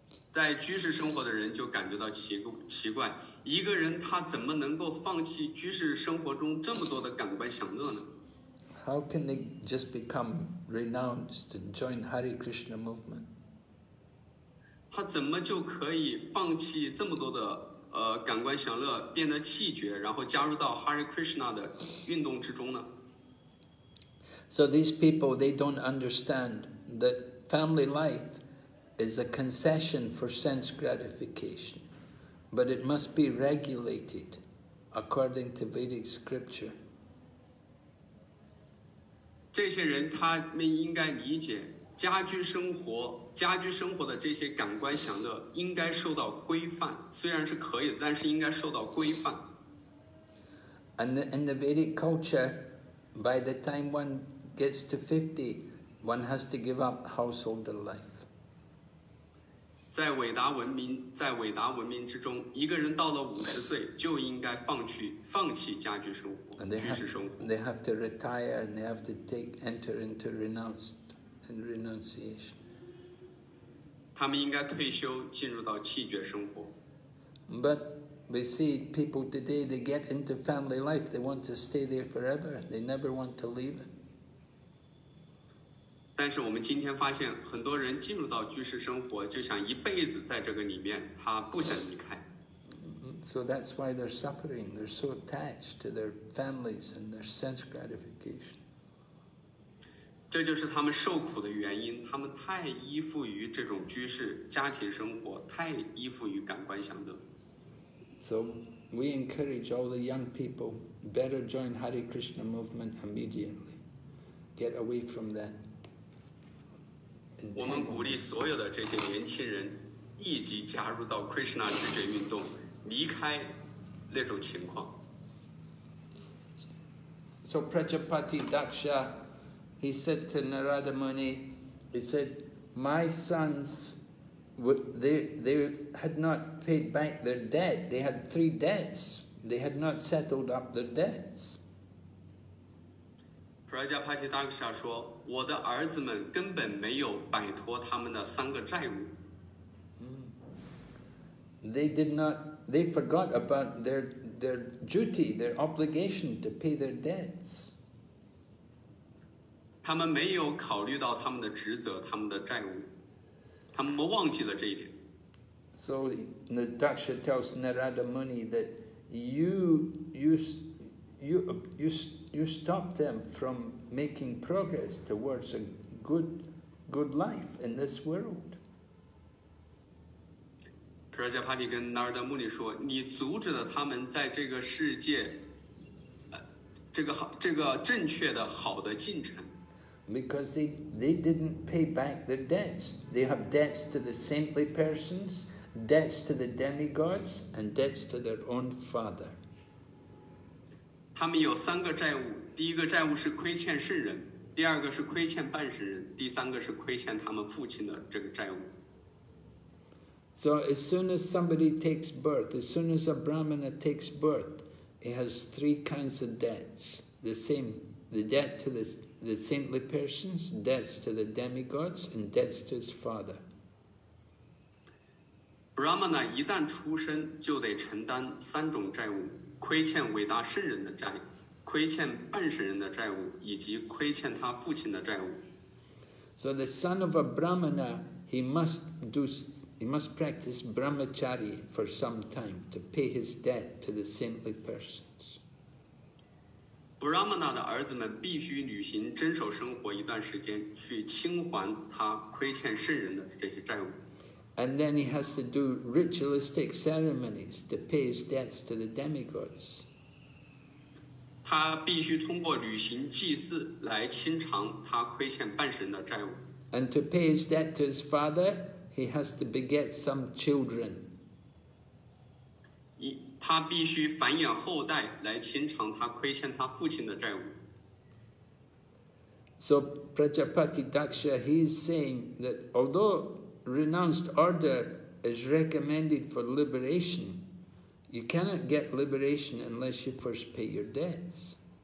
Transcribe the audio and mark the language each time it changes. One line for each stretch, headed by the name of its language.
Chinese: 在居士生活的人就感觉到奇怪。一个人他怎么能够放弃居士生活中这么多的感官享乐呢？
English: How can they just become renounced and join Hare Krishna movement?
Chinese: 他怎么就可以放弃这么多的感官享乐，变得弃绝，然后加入到 Hare Krishna 的运动之中呢？
English: So these people, they don't understand that family life is a concession for sense gratification. But it must be regulated according to Vedic scripture.
Chinese: 这些人他们应该理解家居生活的这些感官享乐应该受到规范，虽然是可以的，但是应该受到规范。
English: And in the Vedic culture, by the time one gets to 50, one has to give up household life.
Chinese: 在伟达文明之中，一个人到了五十岁就应该放弃家居生活，居士生活。
English: They have to retire and they have to enter into renunciation.
Chinese: 他们应该退休，进入到弃绝生活。
English: But we see people today, they get into family life, they want to stay there forever, they never want to leave it.
Chinese: 但是我们今天发现很多人进入到居士生活就想一辈子在这个里面，他不想离开。
English: So that's why they're suffering. They're so attached to their families and their sense gratification.
Chinese: 这就是他们受苦的原因，他们太依附于这种居士家庭生活，太依附于感官享乐。
English: So we encourage all the young people better join Hare Krishna movement immediately. Get away from that.
Chinese: 我们鼓励所有的这些年轻人立即加入到 Krishna 之觉运动，离开那种情况。
English: So Prajapati Daksha, he said to Narada Muni, he said, my sons, they had not paid back their debt. They had three debts. They had not settled up their debts.
Chinese: Prajapati Daksha 说，我的儿子们根本没有摆脱他们的三个债务。
English: They forgot about their duty, their obligation to pay their debts.
Chinese: 他们没有考虑到他们的职责，他们的债务，他们忘记了这一点。
English: So the Daksha tells Narada Muni that you stop them from making progress towards a good life in this world.
Chinese: Prajapati 跟 Narada Muni 说，你阻止了他们在这个世界，这个正确的好的进程。
English: Because they didn't pay back their debts. They have debts to the saintly persons, debts to the demigods, and debts to their own father.
Chinese: 他们有三个债务，第一个债务是亏欠圣人，第二个是亏欠半圣人，第三个是亏欠他们父亲的这个债务。
English: So as soon as somebody takes birth, as soon as a brahmana takes birth, he has three kinds of debts. The same, the debt to the saintly persons, debts to the demigods, and debts to his father.
Chinese: Brahmana 一旦出生就得承担三种债务，亏欠伟大圣人的债，亏欠半圣人的债务，以及亏欠他父亲的债务。
English: So the son of a brahmana, he must practice brahmachari for some time to pay his debt to the saintly persons.
Chinese: Brahmana 的儿子们必须履行遵守生活一段时间，去清还他亏欠圣人的这些债务。
English: And then he has to do ritualistic ceremonies to pay his debts to the demigods.
Chinese: 他必须通过履行祭祀来清偿他亏欠半神的债务。
English: And to pay his debt to his father,He has to beget some children.
Chinese: 他必须繁衍后代来清偿他亏欠他父亲的债务。
English: So Prajapati Daksha, he is saying that although renounced order is recommended for liberation, you cannot get liberation unless you first pay your debts.